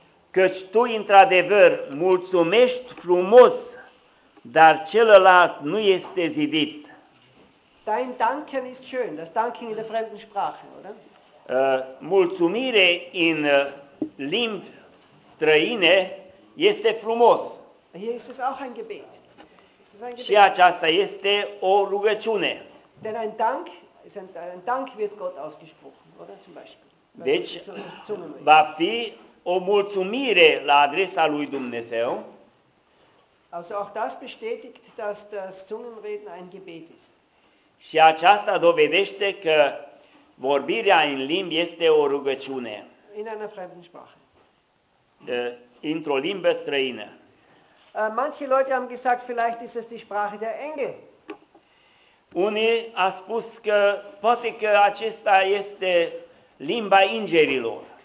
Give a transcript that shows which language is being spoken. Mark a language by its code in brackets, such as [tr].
[ro] Căci tu, într-adevăr, mulțumești frumos, dar celălalt nu este zidit. [de] Dein Danken ist schön, das Danken in der fremden Sprache, oder? [ro] Mulțumire in limbi străine este frumos. [de] Hier ist es auch ein Gebet. [ro] Și aceasta este o rugăciune. [de] Denn ein Dank... Ein Dank wird Gott ausgesprochen, oder zum Beispiel. [ro] Deci, va fi o mulțumire la adresa lui Dumnezeu. [de] Also auch das bestätigt, dass das Zungenreden ein Gebet ist. [ro] Și aceasta dovedește că vorbirea în limbi este o rugăciune. [de] In einer fremden Sprache. [ro] Într-o limbă străină. [de] Manche Leute haben gesagt, vielleicht ist es die Sprache der Engel. [ro] Unii a spus că poate că acesta este limba îngerilor.